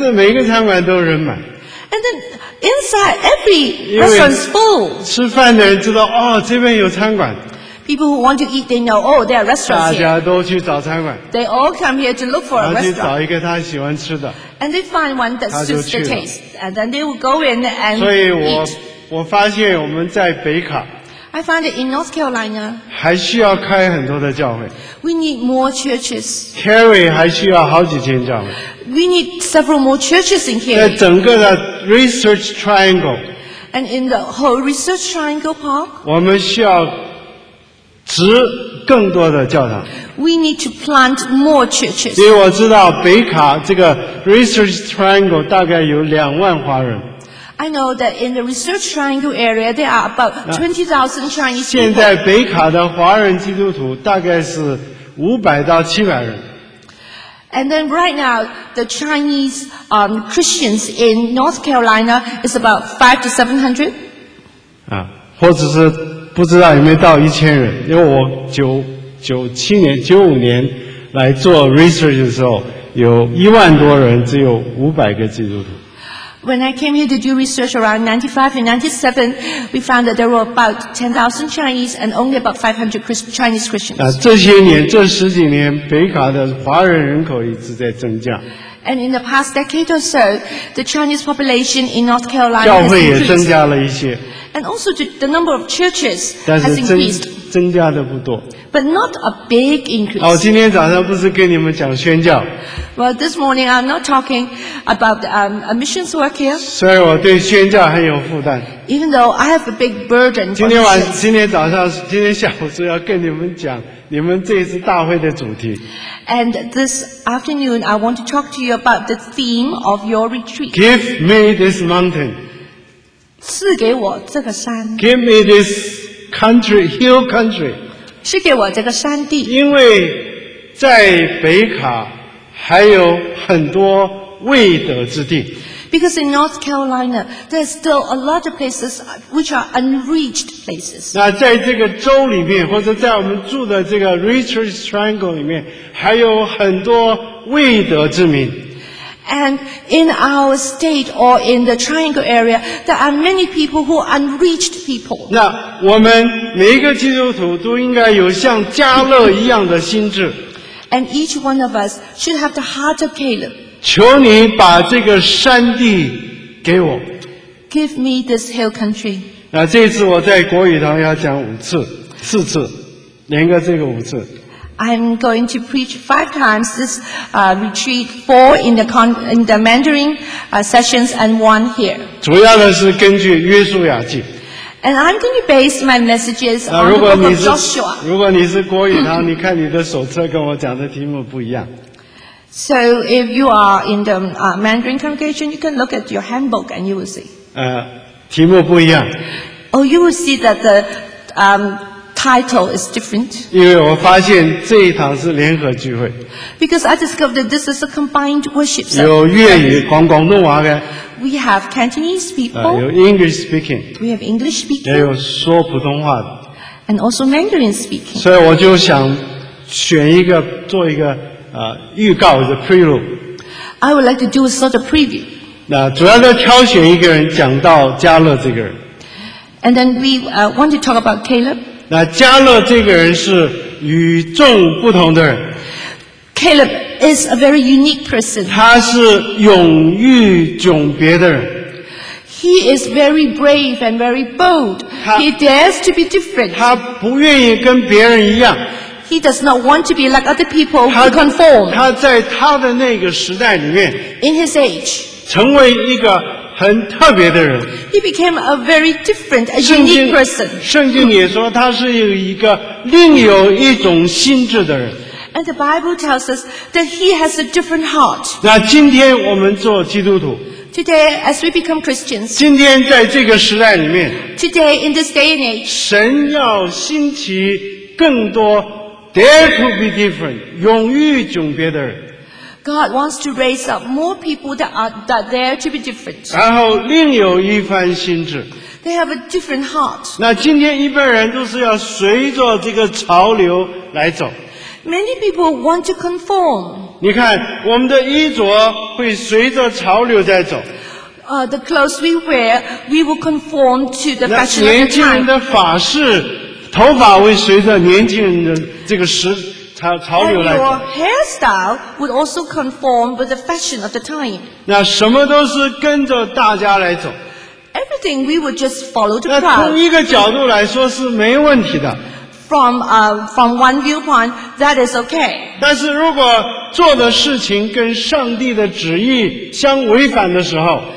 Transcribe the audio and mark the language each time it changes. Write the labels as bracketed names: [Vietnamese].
[Chinese] 但是每一个餐馆都人满。 [English] And then inside every restaurant is full. [Chinese] 吃饭的人知道哦，这边有餐馆。 [English] People who want to eat, they know, oh, there are restaurants here. [Chinese] 大家都去找餐馆。 [English] They all come here to look for a restaurant. [Chinese] 然后去找一个他喜欢吃的。 [English] And they find one that suits the taste. And then they will go in and eat. [Chinese] 所以我发现我们在北卡。 [English] I find it in North Carolina. [Chinese] 还需要开很多的教会。 [English] We need more churches. [Chinese] Cary 还需要好几间教会。 [English] We need several more churches in Cary. [Chinese] 在整个的 Research Triangle. [English] And in the whole Research Triangle Park. [Chinese] 我们需要。值更多的教堂。 [English] We need to plant more churches. [Chinese] 因为我知道北卡这个 Research Triangle 大概有2万华人。 [English] I know that in the Research Triangle area there are about 20,000 Chinese people. [Chinese] 现在北卡的华人基督徒大概是500到700人。 [English] And then right now, the Chinese Christians in North Carolina is about 500 to 700. [Chinese] 啊，或者是不知道有没有到1000人，因为我九五年来做 research 的时候，有10,000多人，只有500个基督徒。 [English] When I came here to do research around 1995 and 1997, we found that there were about 10,000 Chinese and only about 500 Chinese Christians. [Chinese] 这些年，这十几年，北卡的华人人口一直在增加。 [English] And in the past decade or so, the Chinese population in North Carolina has [Chinese] increased. 教会也增加了一些。 [English] And also the number of churches has increased. [Chinese] 增加的不多。 [English] But not a big increase. [Chinese] 哦，今天早上不是跟你们讲宣教。 [English] Well, this morning I'm not talking about a missions work here. [Chinese] 虽然我对宣教很有负担。 [English] Even though I have a big burden. [Chinese] 今天下午是要跟你们讲你们这次大会的主题。 [English] And this afternoon I want to talk to you about the theme of your retreat. Give me this mountain. [Chinese] 赐给我这个山。 [English] Give me this country, hill country. [Chinese] 是给我这个山地，因为在北卡还有很多未得之地。 [English] Because in North Carolina, there's still a lot of places which are unreached places. [Chinese] 那在这个州里面，或者在我们住的这个 Research Triangle 里面，还有很多未得之民。 [English] And in our state or in the triangle area, there are many people who are unreached people. [Chinese] 那我们每一个基督徒都应该有像加勒一样的心智。 [English] And each one of us should have the heart of Caleb. [Chinese] 求你把这个山地给我。 [English] Give me this hill country. [Chinese] 那这次我在国语堂要讲4次，连个这个5次。 [English] I'm going to preach 5 times this retreat, 4 in the Mandarin sessions and 1 here. [Chinese] 主要的是根据约书亚记。 [English] And I'm going to base my messages on the book of Joshua. [Chinese] 如果你是国语堂，你看你的手册跟我讲的题目不一样。 [English] So if you are in the Mandarin congregation, you can look at your handbook and you will see. [Chinese] 题目不一样。 [English] Oh, you will see that the... Title is different. [Chinese] 因为我发现这一堂是联合聚会。 [English] Because I discovered that this is a combined worship service. [Chinese] 有粤语、广东话的。 [English] We have Cantonese people. 有 English speaking. We have English speaking. [Chinese] 也有说普通话的。 [English] And also Mandarin speaking. [Chinese] 所以我就想选一个做一个预告的 prelude. [English] I would like to do a sort of preview. [Chinese] 那主要在挑选一个人讲到加勒这个人。 [English] And then we want to talk about Caleb. [Chinese] 那加勒这个人是与众不同的人。 [English] Caleb is a very unique person. [Chinese] 他是勇于迥别的人。 [English] He is very brave and very bold. He dares to be different. [Chinese] 他不愿意跟别人一样。 [English] He does not want to be like other people who conform. [Chinese] 他在他的那个时代里面 [English] ，In his age， [Chinese] 成为一个。很特别的人。 [English] He became a very different, a unique person. [Chinese] 圣经也说他是有一个另有一种心智的人。 [English] And the Bible tells us that he has a different heart. [Chinese] 那今天我们做基督徒。 [English] Today, as we become Christians. [Chinese] 今天在这个时代里面。 [English] Today, in this day and age. [Chinese] 神要兴起更多 [English] dare to be different, [Chinese] 勇于迥别的人。 [English] God wants to raise up more people that are there to be different. [Chinese] 然后另有一番心智。 [English] They have a different heart. [Chinese] 那今天一般人都是要随着这个潮流来走。 [English] Many people want to conform. [Chinese] 你看，我们的衣着会随着潮流在走。 [English] The clothes we wear, we will conform to the fashion of the time. [Chinese] 那年轻人的发饰，头发会随着年轻人的这个时。 [English] And your hairstyle would also conform with the fashion of the time. [Chinese] 那什么都是跟着大家来走。 [English] Everything we would just follow the crowd. [Chinese] 那从一个角度来说是没问题的。 [English] From one viewpoint, that is okay. [Chinese] 但是如果做的事情跟上帝的旨意相违反的时候。